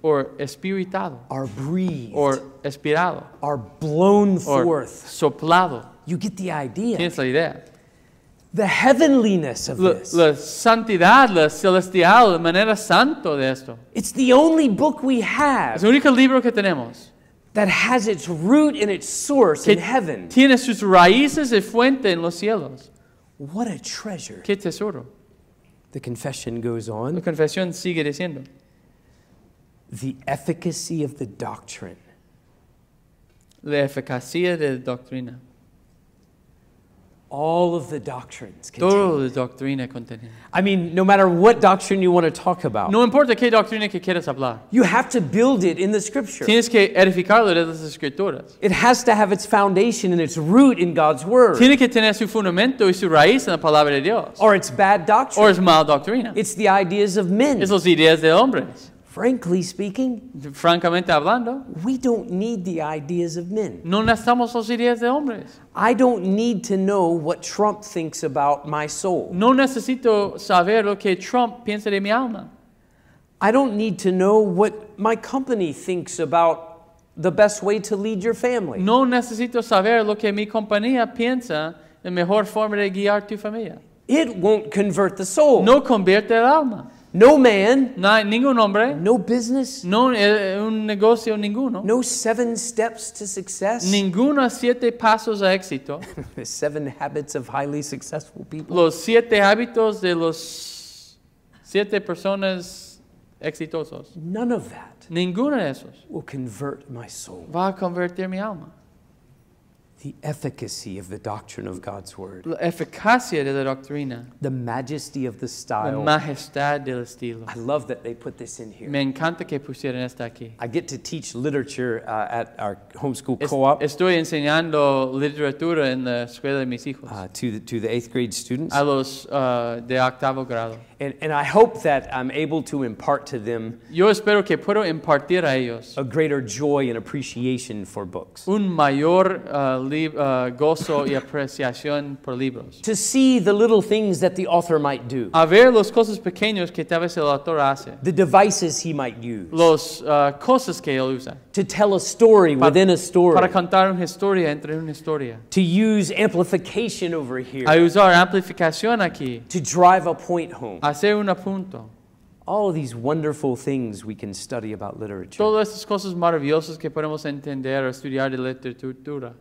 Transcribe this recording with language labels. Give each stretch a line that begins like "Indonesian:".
Spanish: or espiritado,
English: are breathed,
Spanish: or espirado,
English: are blown or forth,
Spanish: soplado.
English: You get the idea.
Spanish: Tienes la idea.
English: The heavenliness of this.
Spanish: La santidad, la celestial, la manera santo de esto.
English: It's the only book we have.
Spanish: Es el único libro que tenemos.
English: That has its root and its source in heaven.
Spanish: Tiene sus raíces y fuente en los cielos.
English: What a treasure.
Spanish: Qué tesoro.
English: The confession goes on.
Spanish: La confesión sigue diciendo.
English: The efficacy of the doctrine.
Spanish: La eficacia de la doctrina.
English: All of the doctrines
Spanish: contained. Toda la doctrina contenida.
English: I mean, no matter what doctrine you want to talk about.
Spanish: No importa qué doctrina que quieras hablar.
English: You have to build it in the Scripture.
Spanish: Tienes que edificarlo de las Escrituras.
English: It has to have its foundation and its root in God's Word.
Spanish: Tiene que tener su fundamento y su raíz en la palabra de Dios.
English: Or it's bad doctrine.
Spanish: Or es mal doctrina.
English: It's the ideas of men.
Spanish: Es las ideas de hombres.
English: Frankly speaking,
Spanish: francamente hablando,
English: we don't need the ideas of men.
Spanish: No necesitamos las ideas de hombres.
English: I don't need to know what Trump thinks about my soul.
Spanish: No necesito saber lo que Trump piensa de mi alma.
English: I don't need to know what my company thinks about the best way to lead your family.
Spanish: No necesito saber lo que mi compañía piensa de mejor forma de guiar tu familia.
English: It won't convert the soul.
Spanish: No convierte el alma.
English: No man.
Spanish: No, ningún hombre.
English: No business.
Spanish: No un negocio ninguno.
English: No seven steps to success.
Spanish: Ninguno siete pasos a éxito.
English: The seven habits of highly successful people.
Spanish: Los siete hábitos de los siete personas exitosos.
English: None of that.
Spanish: Ninguno de esos.
English: Will convert my soul.
Spanish: Va a convertir mi alma.
English: The efficacy of the doctrine of God's word.
Spanish: La eficacia de la doctrina.
English: The majesty of the style.
Spanish: La majestad del estilo.
English: I love that they put this in here.
Spanish: Me encanta que pusieran esto aquí.
English: I get to teach literature at our homeschool co-op.
Spanish: Estoy enseñando literatura en la escuela de mis hijos.
English: To the eighth grade students.
Spanish: A los de octavo grado.
English: And I hope that I'm able to impart to them.
Spanish: Yo espero que puedo impartir a ellos.
English: A greater joy and appreciation for books.
Spanish: Un mayor gozo y apreciación por libros.
English: To see the little things that the author might do.
Spanish: A ver los cosas pequeños que tal vez el autor hace.
English: The devices he might use.
Spanish: Los cosas que él usa.
English: To tell a story within a story.
Spanish: Para contar una historia entre una historia.
English: To use amplification over here.
Spanish: A usar amplificación aquí.
English: To drive a point home.
Spanish: Hacer un apunto.
English: All of these wonderful things we can study about literature.
Spanish: Todas estas cosas maravillosas que podemos entender o estudiar de literatura.